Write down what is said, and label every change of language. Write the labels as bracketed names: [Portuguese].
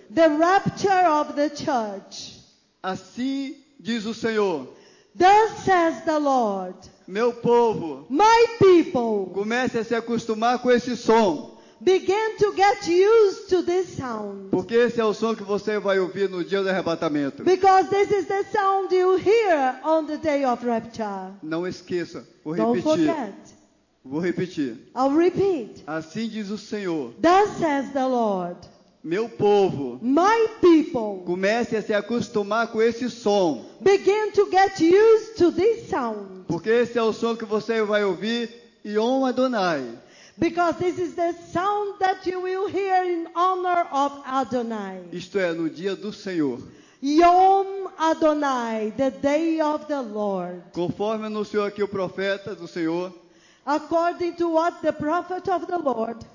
[English] The rapture of the church. [Portuguese] Assim diz o Senhor. [English] Thus says the Lord. [Portuguese] Meu povo. [English] My people. [Portuguese] Comece a se acostumar com esse som. [English] Begin to get used to this sound. [Portuguese] Porque esse é o som que você vai ouvir no dia do arrebatamento. [English] Because this is the sound you hear on the day of rapture. [Portuguese] Não esqueça. Vou [English] Don't [Portuguese] repetir. [English] Forget. [Portuguese] Vou repetir. [English] I'll repeat. [Portuguese] Assim diz o Senhor. [English] Thus says the Lord. [Portuguese] Meu povo. [English] My people. [Portuguese] Comece a se acostumar com esse som. [English] Begin to get used to this sound. [Portuguese] Porque esse é o som que você vai ouvir e honra Adonai. [English] Because this is the sound that you will hear in honor of Adonai. [Portuguese] Isto é, no dia do Senhor. [English] Yom Adonai, the day of the Lord. [Portuguese] Conforme anunciou aqui o profeta do Senhor. [English] According to what the prophet of the Lord.